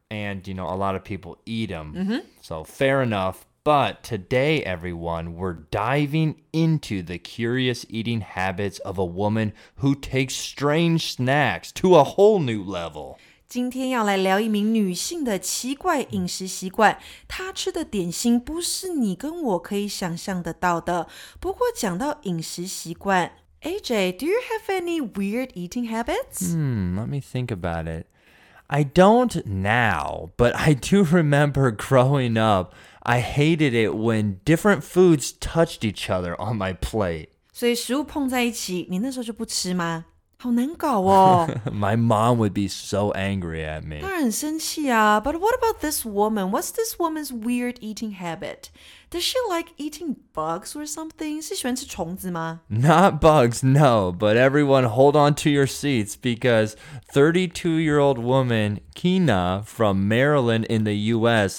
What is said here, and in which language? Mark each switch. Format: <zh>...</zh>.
<en>And, you know, a lot of people eat them.、 Mm-hmm. So, fair enough. But today, everyone, we're diving into the curious eating habits of a woman who takes strange snacks to a whole new level.</en> <zh>今天要来聊一名女性的奇怪饮食习惯。她吃的点心不是你跟我可以想象得到的。不过讲到饮食习惯</zh> <en>AJ, do you have any weird eating habits? Let me think about it. I don't now, but I do remember growing up, I hated it when different foods touched each other on my plate.</en> <zh>所以食物碰在一起,你那时候就不吃吗? 好难搞哦。</zh> <en>My mom would be so angry at me.</en> <zh>当然很生气啊。</zh> <en>But what about this woman? What's this woman's weird eating habit? Does she like eating bugs or something?</en> <zh>是喜欢吃虫子吗?</zh> <en>Not bugs, no. But everyone hold on to your seats because 32-year-old woman Kina from Maryland in the U.S.</en>